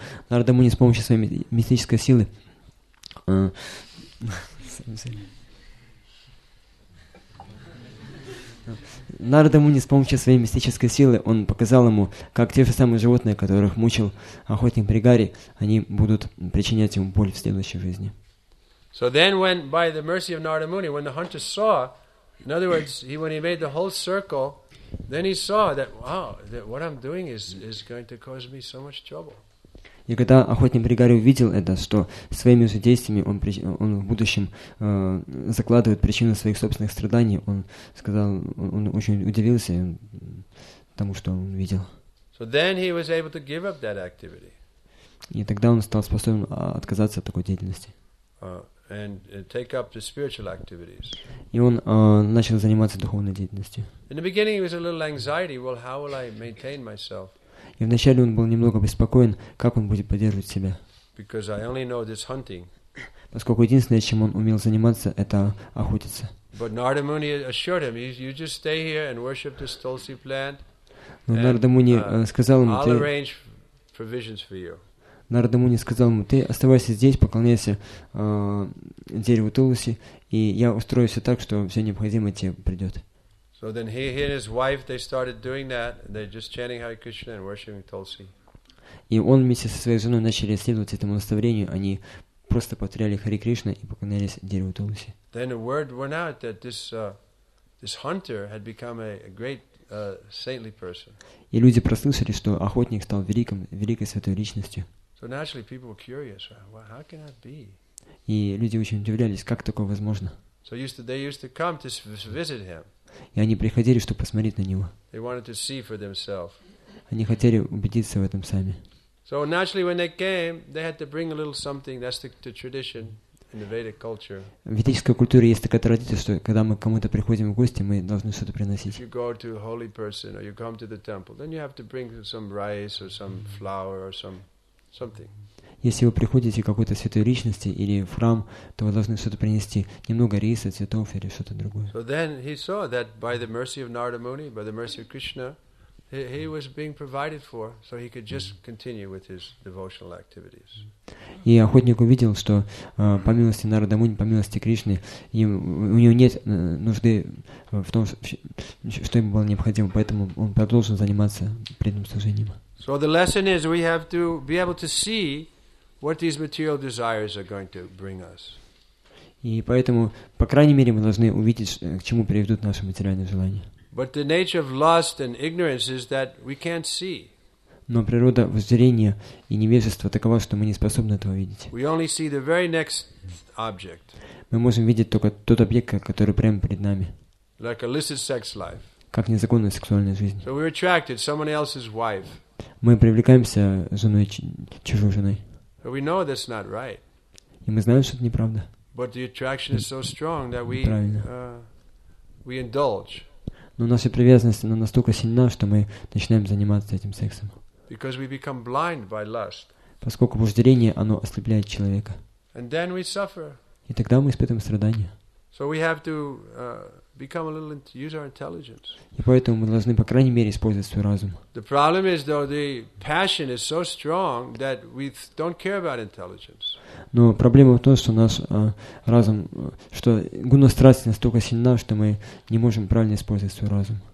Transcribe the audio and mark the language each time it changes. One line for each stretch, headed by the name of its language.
Russian: Нарада Муни с помощью своей мистической силы Нарада Муни с помощью своей мистической силы он показал ему, как те же самые животные, которых мучил охотник Мегари, они будут причинять ему боль в следующей жизни.
English: So then when by the mercy of Narada Muni, when the hunter saw, in other words, when he made the whole circle, then he saw that wow, that what I'm doing is going to cause me so much trouble.
Russian: И когда охотник Мегари увидел это, что своими же действиями он в будущем закладывает причину своих собственных страданий, он сказал, он очень удивился тому, что он видел.
English: So then he was able to give up that activity.
Russian: И тогда он стал способен отказаться от такой деятельности.
English: And take up the spiritual activities.
Russian: И он начал заниматься духовной деятельностью.
English: In the beginning, it was a little anxiety. Well, how will I maintain myself?
Russian: И вначале он был немного беспокоен, как он будет поддерживать себя.
English: Because I only know this hunting.
Russian: Поскольку единственное, чем он умел заниматься, это охотиться.
English: But Narada Muni assured him, you just stay here and worship this tulsi plant.
Russian: Narada Muni сказал ему,
English: I'll arrange provisions for you.
Russian: Нарада Муни сказал ему, ты оставайся здесь, поклоняйся дереву Тулуси, и я устрою все так, что все необходимое тебе придет.
English: So then he and his wife, they started doing that, they're just chanting Hare Krishna and worshiping Tulsi.
Russian: И он вместе со своей женой начали следовать этому наставлению, они просто повторяли Хари Кришна и поклонялись дереву Тулуси.
English: Then the word went out that this hunter had become a great saintly person.
Russian: И люди прослышали, что охотник стал великой святой личностью.
English: So naturally people were curious, how can that be?
Russian: И люди очень удивлялись, как такое возможно.
English: So they used to come to visit him.
Russian: И они приходили, чтобы посмотреть на него.
English: They wanted to see for themselves.
Russian: Они хотели убедиться в этом сами.
English: So naturally when they came, they had to bring a little something, that's the tradition. In the Vedic culture.
Russian: В ведической культуре есть такая традиция, что когда мы к кому-то приходим в гости, мы должны что-то приносить.
English: If you go to a holy person or you come to the temple, then you have to bring some rice or some flour or something.
Russian: Если вы приходите к какой-то святой личности или в храм, то вы должны что-то принести, немного риса, цветов или что-то другое.
English: So then he saw that by the mercy of Narada Muni, by the mercy of Krishna, he was being provided for, so he could just continue with his devotional activities.
Russian: И охотник увидел, что по милости Нарада Муни, по милости Кришны, у него нет нужды в том, что ему было необходимо, поэтому он продолжил заниматься преданным служением.
English: So the lesson is we have to be able to see what these material desires are going to bring us.
Russian: И поэтому, по крайней мере, мы должны увидеть, к чему приведут наши материальные желания.
English: But the nature of lust and ignorance is that we can't see.
Russian: Но природа воззрения и невежества такова, что мы не способны этого видеть.
English: We only see the very next object.
Russian: Мы можем видеть только тот объект, который прямо перед нами.
English: Like illicit sex life.
Russian: Как незаконная сексуальная жизнь.
English: So we're attracted to someone else's wife.
Russian: Мы привлекаемся женой чужой женой.
English: But we know that's not right.
Russian: И мы знаем, что это неправда.
English: But the attraction is so strong that we indulge.
Russian: Но наша привязанность она настолько сильна, что мы начинаем заниматься этим сексом.
English: Because we become blind by lust.
Russian: Поскольку вожделение, оно ослепляет человека.
English: And then we suffer.
Russian: И тогда мы испытываем страдания.
English: So we have to become a little use our intelligence.
Russian: И поэтому мы должны, по крайней мере, использовать свой разум.
English: The problem is though the passion is so strong that we don't care about intelligence.
Russian: Но проблема в том, что наш разум, что гуна страсти настолько сильна, что мы не можем правильно использовать свой разум.